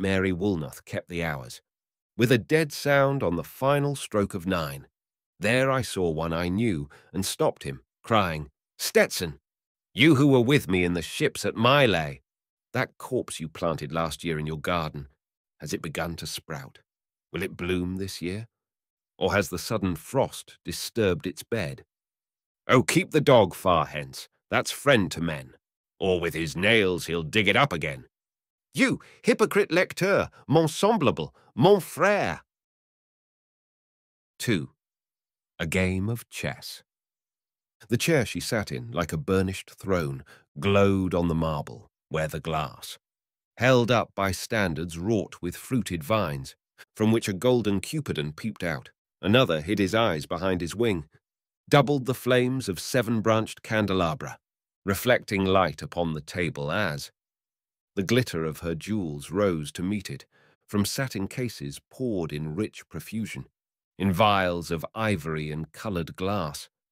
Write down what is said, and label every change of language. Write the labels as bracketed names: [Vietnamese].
[English] Mary Woolnoth kept the hours. With a dead sound on the final stroke of nine, there I saw one I knew, and stopped him, crying, Stetson, you who were with me in the ships at Mylay, that corpse you planted last year in your garden, has it begun to sprout? Will it bloom this year? Or has the sudden frost disturbed its bed? Oh, keep the dog far hence. That's friend to men. Or with his nails he'll dig it up again. You, [French] hypocrite lecteur, mon semblable, mon frère. [English] 2. A game of chess. The chair she sat in, like a burnished throne, glowed on the marble, where the glass. Held up by standards wrought with fruited vines, from which a golden cupidon peeped out. Another hid his eyes behind his wing, doubled the flames of seven-branched candelabra, reflecting light upon the table as the glitter of her jewels rose to meet it, from satin cases poured in rich profusion, in vials of ivory and coloured glass.